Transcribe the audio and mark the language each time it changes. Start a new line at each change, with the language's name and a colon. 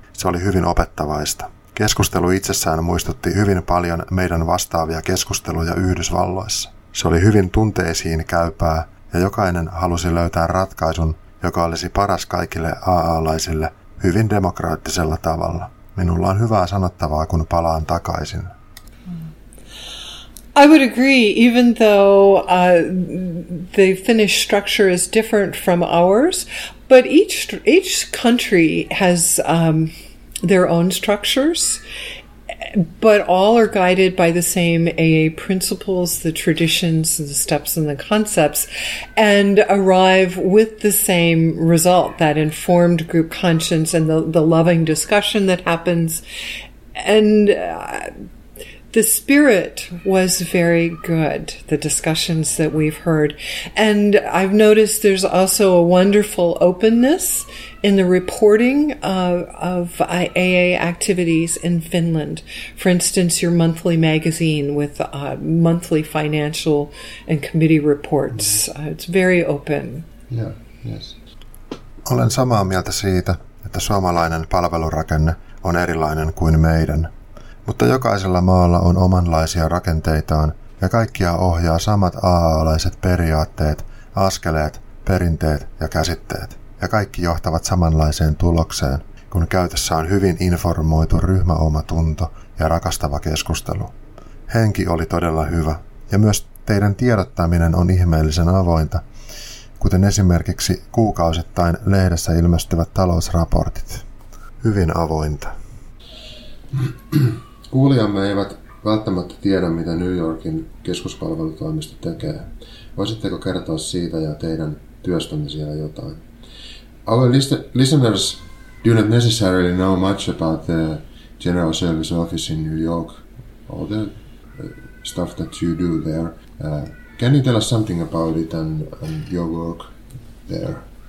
Finnish: Se oli hyvin opettavaista. Keskustelu itsessään muistutti hyvin paljon meidän vastaavia keskusteluja Yhdysvalloissa. Se oli hyvin tunteisiin käypää, ja jokainen halusi löytää ratkaisun, joka olisi paras kaikille AA-laisille hyvin demokraattisella tavalla. Minulla on hyvää sanottavaa, kun palaan takaisin.
English: I would agree, even though the Finnish structure is different from ours, but each country has their own structures. But all are guided by the same AA principles, the traditions, the steps and the concepts, and arrive with the same result, that informed group conscience and the loving discussion that happens. And the spirit was very good, the discussions that we've heard. And I've noticed there's also a wonderful openness in the reporting of AA activities in Finland. For instance, your monthly magazine with monthly financial and committee reports. It's very open. Yeah, yes.
Finnish: Olen samaa mieltä siitä, että suomalainen palvelurakenne on erilainen kuin meidän. Mutta jokaisella maalla on omanlaisia rakenteitaan, ja kaikkia ohjaa samat AA-alaiset periaatteet, askeleet, perinteet ja käsitteet. Ja kaikki johtavat samanlaiseen tulokseen, kun käytössä on hyvin informoitu ryhmäomatunto ja rakastava keskustelu. Henki oli todella hyvä, ja myös teidän tiedottaminen on ihmeellisen avointa, kuten esimerkiksi kuukausittain lehdessä ilmestyvät talousraportit. Hyvin avointa. Kuulijamme eivät välttämättä tiedä, mitä New Yorkin keskuspalvelutoimisto tekee. Voisitteko kertoa siitä ja teidän työstänne siellä jotain?
English: Our listeners do not necessarily know much about the General Service Office in New York or the stuff that you do there. Can you tell us something about it and your work there?